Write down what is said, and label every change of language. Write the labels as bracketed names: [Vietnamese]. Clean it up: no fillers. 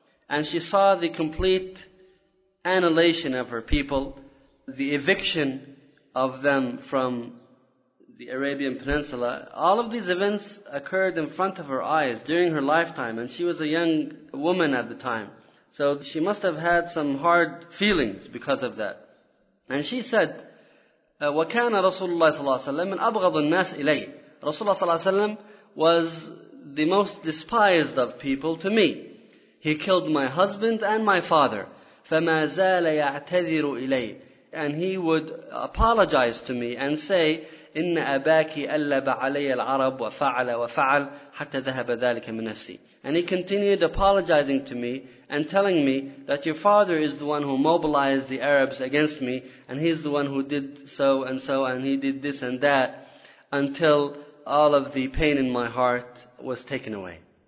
[English] And she saw the complete annihilation of her people, the eviction of them from the Arabian Peninsula. All of these events occurred in front of her eyes during her lifetime, and she was a young woman at the time. So she must have had some hard feelings because of that. And she said, [Arabic] وَكَانَ رَسُولُ اللَّهِ صَلَى اللَّهِ وَسَلَّمْ مِنْ أَبْغَضُ النَّاسِ إِلَيْهِ [English] Rasulullah صلى الله عليه وسلم was the most despised of people to me. He killed my husband and my father. [Arabic] فَمَا زَالَ يَعْتَذِرُ إِلَيْهِ [English] And he would apologize to me and say, [Arabic] إِنَّ أَبَاكِ أَلَّبَ عَلَيَّ الْعَرَبُ وَفَعَلَ وَفَعَلَ حَتَّى ذَهَبَ ذَلِكَ مِنْ نَفْسِي [English] And he continued apologizing to me and telling me that your father is the one who mobilized the Arabs against me, and he's the one who did so and so, and he did this and that, until all of the pain in my heart was taken away.